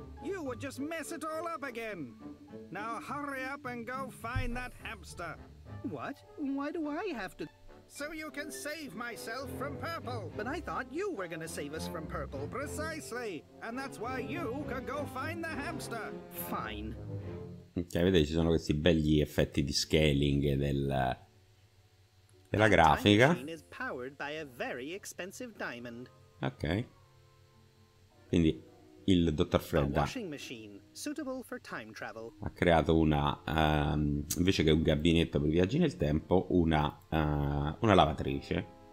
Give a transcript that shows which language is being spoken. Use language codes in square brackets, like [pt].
[en] You would just mess it all up again. Now hurry up and go find that hamster. What? Why do I have to... So you can save myself from purple. But I thought you were gonna save us from purple. Precisely. And that's why you could go find the hamster. Fine. [it] Ok, vedete, ci sono questi belli effetti di scaling della grafica. [en] The machine is powered by a very expensive diamond. Ok. [it] Quindi il dottor Fred ha creato una, invece che un gabinetto per i viaggi nel tempo, una lavatrice.